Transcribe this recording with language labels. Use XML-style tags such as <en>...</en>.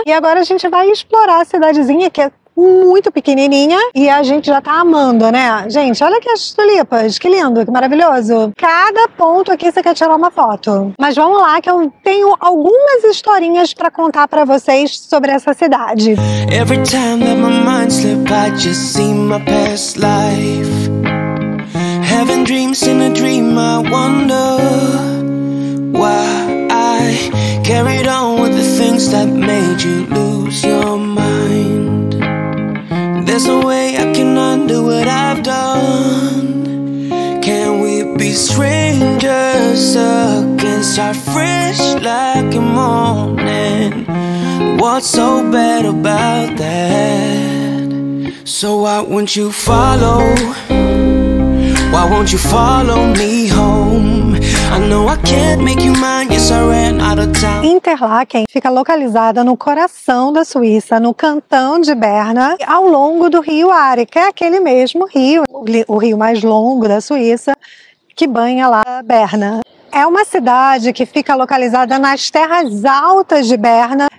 <pt>E agora a gente vai explorar a cidadezinha, que é muito pequenininha, e a gente já tá amando, né? Gente, olha aqui as tulipas, que lindo, que maravilhoso. Cada ponto aqui você quer tirar uma foto. Mas vamos lá, que eu tenho algumas historinhas pra contar pra vocês sobre essa cidade.</pt> <en>Every time that my mind slipped, I just see my past life. Having dreams in a dream, I wonder why I carried on with the things that made you lose your mind. There's no way I can undo what I've done. Can we be strangers again? Start fresh like a morning. What's so bad about that? So why won't you follow? Why won't you follow me home? I know I can't make you mine. Yes, I ran out of time.</en> <pt>Interlaken fica localizada no coração da Suíça, no cantão de Berna, ao longo do rio Aare, que é aquele mesmo rio, o rio mais longo da Suíça, que banha lá a Berna. É uma cidade que fica localizada nas terras altas de Berna.</pt>